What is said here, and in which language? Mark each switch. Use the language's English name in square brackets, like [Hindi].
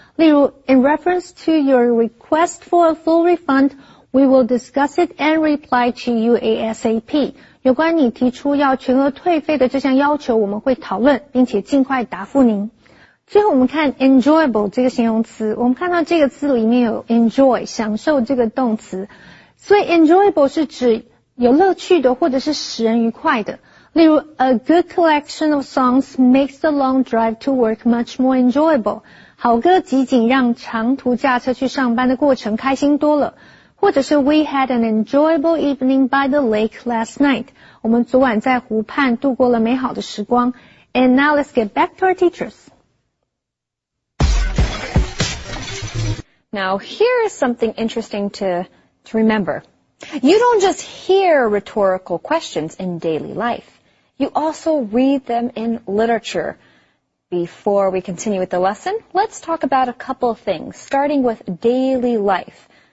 [Chinese] 例如 [English] in reference to your request for a full refund, we will discuss it and reply to you ASAP. [Chinese] 有关你提出要全额退费的这项要求，我们会讨论，并且尽快答复您。最后我们看 enjoyable 这个形容词，我们看到这个字里面有 enjoy, 享受这个动词。所以 enjoyable 是指有乐趣的或者是使人愉快的。例如 [English] a good collection of songs makes the long drive to work much more enjoyable. [Chinese] 好歌集锦让长途驾车去上班的过程开心多了。或者是 [English] We had an enjoyable evening by the lake last night. [Chinese] 我们昨晚在湖畔度过了美好的时光。 [English] And now let's get back to our teachers. Now here is something interesting to remember. You don't just hear rhetorical questions in daily life. You also read them in literature. Before we continue with the lesson, let's talk about a couple of things, starting with daily life.